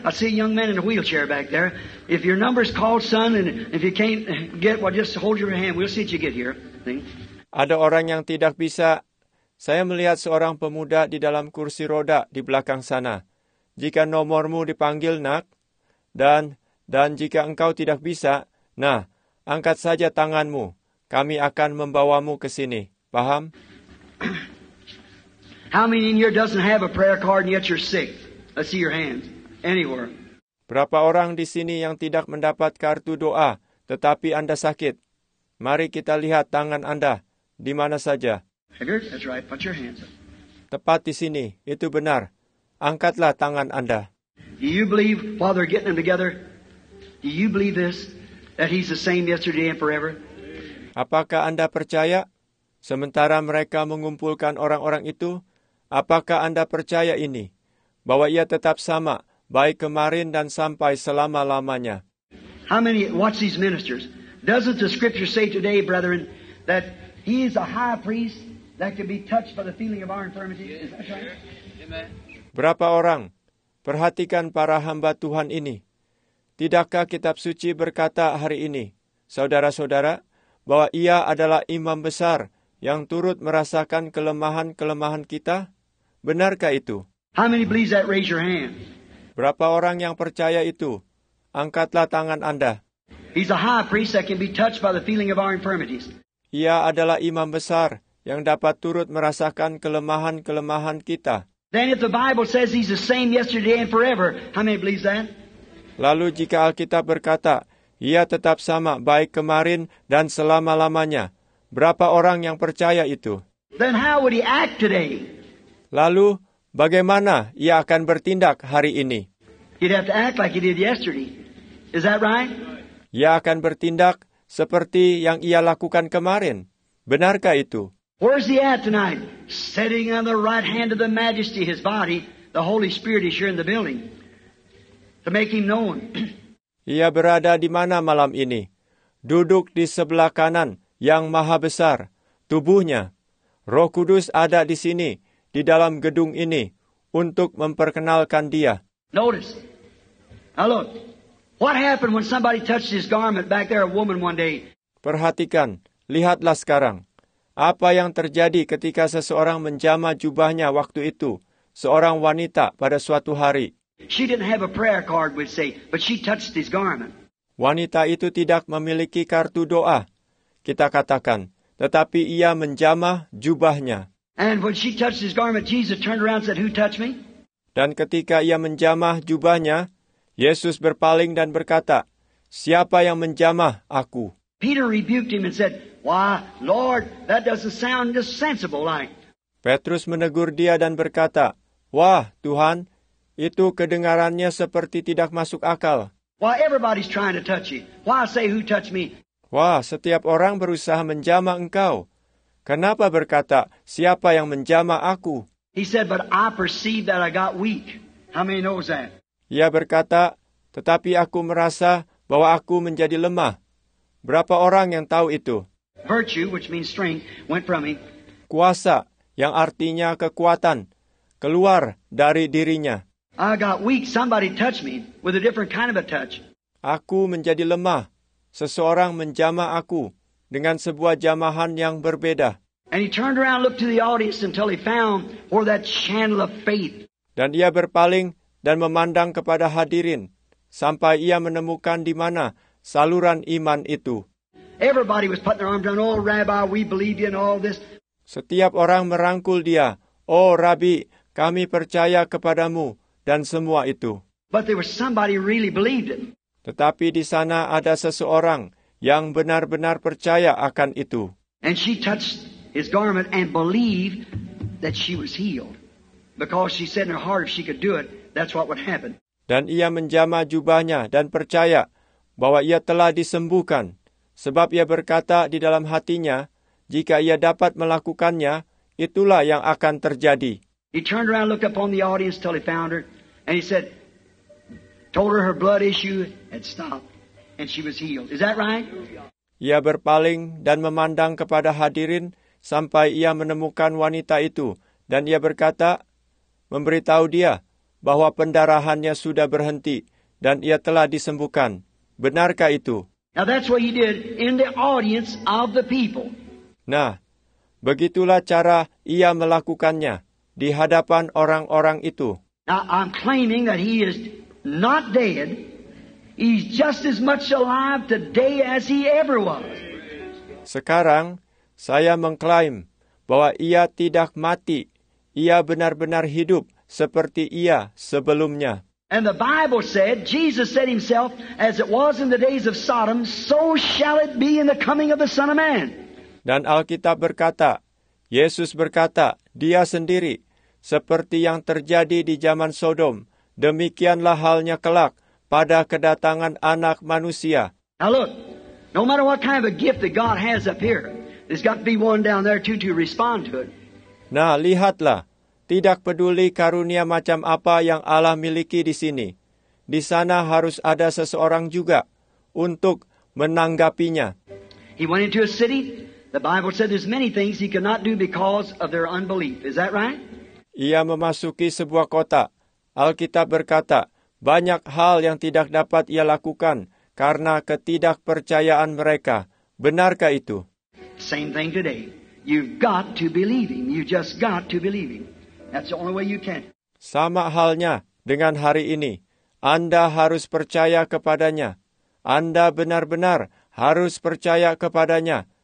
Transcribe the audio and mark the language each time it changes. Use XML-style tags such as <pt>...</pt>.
<en>I see a young man in a wheelchair back there. If your number's called, son, and if you can't get, well, just hold your hand. We'll see if you get here.</en> <id>Ada orang yang tidak bisa. Saya melihat seorang pemuda di dalam kursi roda di belakang sana. Jika nomormu dipanggil, nak, dan jika engkau tidak bisa, nah, angkat saja tanganmu. Kami akan membawamu ke sini. Paham?</id> <en>How many in here doesn't have a prayer card and yet you're sick? I see your hands anywhere.</en> <id>Berapa orang di sini yang tidak mendapat kartu doa, tetapi Anda sakit? Mari kita lihat tangan Anda. Di mana saja?</id> <en>Here, that's right. Put your hands up.</en> <id>Tepat di sini, itu benar. Angkatlah tangan Anda.</id> <en>Do you believe while they're getting them together? Do you believe this, that He's the same yesterday and forever?</en> <id>Apakah Anda percaya, sementara mereka mengumpulkan orang-orang itu, apakah Anda percaya ini, bahwa Ia tetap sama, baik kemarin dan sampai selama-lamanya?</id> <en>How many watch these ministers? Doesn't the Scripture say today, brethren, that He is a high priest that can be touched by the feeling of our infirmities? Yes, is that right? Sure.</en> <id>Amen. Berapa orang? Perhatikan para hamba Tuhan ini. Tidakkah Kitab Suci berkata hari ini, saudara-saudara, bahwa Ia adalah imam besar yang turut merasakan kelemahan-kelemahan kita? Benarkah itu?</id> <en>How many believe that? Raise your hand.</en> <id>Berapa orang yang percaya itu? Angkatlah tangan Anda.</id> <en>He's a high priest that can be touched by the feeling of our infirmities.</en> <id>Ia adalah imam besar yang dapat turut merasakan kelemahan-kelemahan kita.</id> <en>Then if the Bible says He's the same yesterday and forever, how many believe that?</en> <id>Lalu jika Alkitab berkata, Ia tetap sama baik kemarin dan selama-lamanya. Berapa orang yang percaya itu?</id> <en>Then how would He act today?</en> <id>Lalu bagaimana Ia akan bertindak hari ini?</id> <en>He'd have to act like He did yesterday. Is that right?</en> <id>Ia akan bertindak seperti yang Ia lakukan kemarin. Benarkah itu?</id> <en>Where's He at tonight? Sitting on the right hand of the Majesty, His body, the Holy Spirit is here in the building to make Him known.</en> <id>Ia berada di mana malam ini? Duduk di sebelah kanan yang maha besar, tubuhnya. Roh Kudus ada di sini, di dalam gedung ini, untuk memperkenalkan Dia.</id> <en>Notice. Now look. What happened when somebody touched His garment back there, a woman one day?</en> <id>Perhatikan. Lihatlah sekarang. Apa yang terjadi ketika seseorang menjamah jubahnya waktu itu, seorang wanita pada suatu hari?</id> <en>She didn't have a prayer card, we'd say, but she touched His garment.</en> <id>Wanita itu tidak memiliki kartu doa, kita katakan, tetapi ia menjamah jubahnya.</id> <en>And when she touched His garment, Jesus turned around and said, "Who touched me?"</en> <id>Dan ketika ia menjamah jubahnya, Yesus berpaling dan berkata, "Siapa yang menjamah aku?"</id> <en>Peter rebuked him and said, "Why, Lord, that doesn't sound just sensible like."</en> <id>Petrus menegur dia dan berkata, "Wah, Tuhan, itu kedengarannya seperti tidak masuk akal."</id> <en>"Why, everybody's trying to touch you. Why say who touched me?"</en> <id>"Wah, setiap orang berusaha menjamah engkau. Kenapa berkata, siapa yang menjamah aku?"</id> <en>He said, "But I perceive that I got weak." How many knows that?</en> <id>Ia berkata, "Tetapi aku merasa bahwa aku menjadi lemah." Berapa orang yang tahu itu?</id> <en>Virtue, which means strength, went from him.</en> <id>Kuasa, yang artinya kekuatan, keluar dari dirinya.</id> <en>I got weak. Somebody touched me with a different kind of a touch.</en> <id>Aku menjadi lemah. Seseorang menjamah aku dengan sebuah jamahan yang berbeda.</id> <en>And he turned around, looked to the audience until he found where that channel of faith.</en> <id>Dan ia berpaling dan memandang kepada hadirin sampai ia menemukan di mana saluran iman itu.</id> <en>Everybody was putting their arms down. "Oh, Rabbi, we believe you in all this."</en> <id>Setiap orang merangkul dia. "Oh, Rabbi, kami percaya kepadamu dan semua itu."</id> <en>But there was somebody really believed it.</en> <id>Tetapi di sana ada seseorang yang benar-benar percaya akan itu.</id> <en>And she touched his garment and believed that she was healed. Because she said in her heart, if she could do it, that's what would happen.</en> <id>Dan ia menjamah jubahnya dan percaya bahwa ia telah disembuhkan. Sebab ia berkata di dalam hatinya, jika ia dapat melakukannya, itulah yang akan terjadi.</id> <en>He turned around, looked upon the audience till he found her, and he said, told her her blood issue had stopped, and she was healed. Is that right?</en> <id>Ia berpaling dan memandang kepada hadirin sampai ia menemukan wanita itu, dan ia berkata, memberitahu dia bahwa pendarahannya sudah berhenti dan ia telah disembuhkan. Benarkah itu?</id> <en>Now that's what he did in the audience of the people.</en> <id>Nah, begitulah cara ia melakukannya di hadapan orang-orang itu.</id> <en>Now I'm claiming that he is not dead. He's just as much alive today as he ever was.</en> <id>Sekarang saya mengklaim bahwa ia tidak mati. Ia benar-benar hidup seperti ia sebelumnya.</id> <en>And the Bible said, Jesus said himself, as it was in the days of Sodom, so shall it be in the coming of the Son of Man.</en> <id>Dan Alkitab berkata, Yesus berkata, Dia sendiri, seperti yang terjadi di zaman Sodom, demikianlah halnya kelak pada kedatangan Anak Manusia.</id> <en>Now look, no matter what kind of a gift that God has up here, there's got to be one down there too to respond to it.</en> <id>Nah, lihatlah, tidak peduli karunia macam apa yang Allah miliki di sini, di sana harus ada seseorang juga untuk menanggapinya.</id> <en>He went into a city. The Bible said there's many things he cannot do because of their unbelief. Is that right?</en> <id>Ia memasuki sebuah kota. Alkitab berkata, banyak hal yang tidak dapat ia lakukan karena ketidakpercayaan mereka. Benarkah itu?</id> <en>Same thing today. You've got to believe him. You just got to believe him. That's the only way you can.</en> <id>Sama halnya dengan hari ini. Anda harus percaya kepadanya. Anda benar-benar harus percaya kepadanya.</id>